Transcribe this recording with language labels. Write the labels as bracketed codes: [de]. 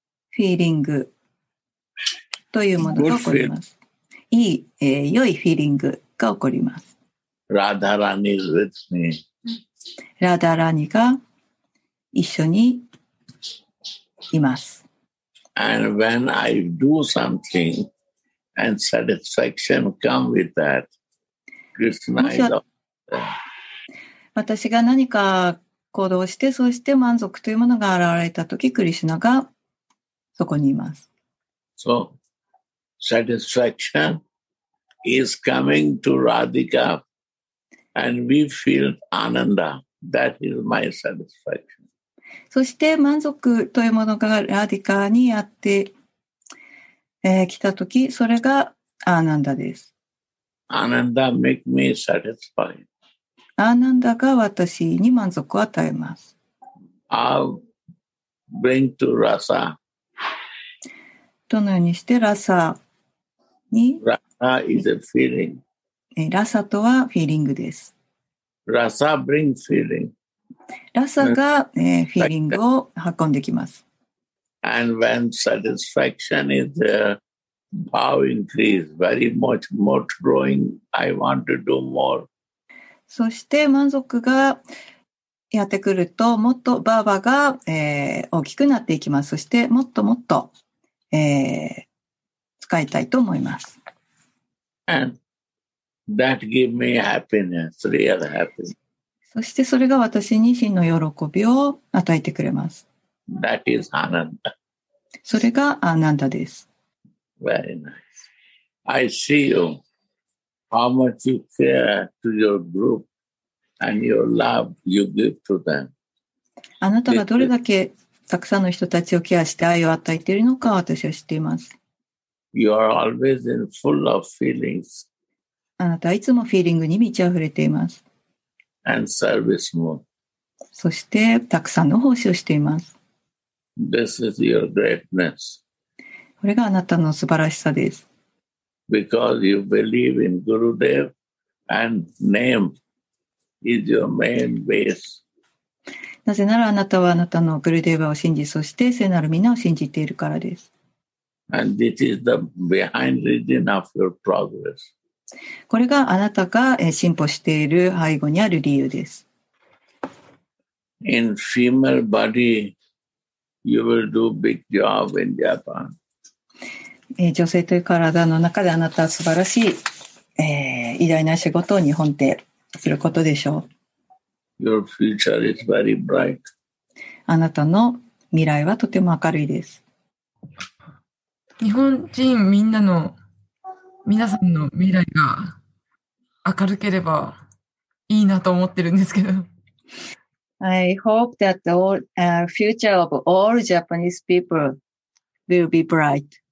[ja] フィーリングというものが起こります。いい、良いフィーリングが起こります。 [en] ラダラニ is with me. [ja] ラダラニが一緒にいます。 [en] And when I do something and satisfaction come with that, Krishna is there. [ja] 私が何か行動して、そして満足というものが現れたとき、クリシュナがそこにいます。 [en] So, satisfaction. Is coming to Radhika and we feel ananda. That is my satisfaction. [ja] そして満足というものがラディカにやって、来たとき、それがアナンダです。 [en] Ananda make me satisfied. [ja] アナンダが私に満足を与えます。 [en] I'll bring to Rasa. [ja] どのようにしてラサに、 [en] Rasa is a feeling. [ja] ラサとはフィーリングです。 [en] ラサ brings feeling. [ja] ラサが、フィーリングを運んできます。 [en] And when satisfaction is there, bow increase very much more growing. I want to do more. [ja] そして満足がやってくると、もっとバーバーが、大きくなっていきます。そしてもっともっと、使いたいと思います。 [en] And that give me happiness, real happiness. [ja] そしてそれが私に真の喜びを与えてくれます。 [en] That is Ananda. [ja] それがアナンダです。 [en] Very nice. I see you. How much you care to your group and your love you give to them. [ja] あなたがどれだけたくさんの人たちをケアして愛を与えているのか私は知っています。 [en] You are always in full of feelings. [ja] あなたはいつもフィーリングに満ち溢れています。 [en] And service mode. [ja] そしてたくさんの奉仕をしています。 [en] This is your greatness. [ja] これがあなたの素晴らしさです。 [en] Because you believe in Gurudev and name is your main base. [ja] なぜならあなたはあなたのグルデーバを信じ、そして聖なる皆を信じているからです。 [en] And this is the behind reason of your progress. [ja] これがあなたが進歩している背後にある理由です。 [en] In female body, you will do big job in Japan. [ja] 女性という体の中であなたは素晴らしい、偉大な仕事を日本ですることでしょう。 [en] Your future is very bright. [ja] あなたの未来はとても明るいです。日本人みんなの皆さんの未来が明るければいいなと思ってるんですけど。 [en] I hope that the future of all Japanese people will be bright.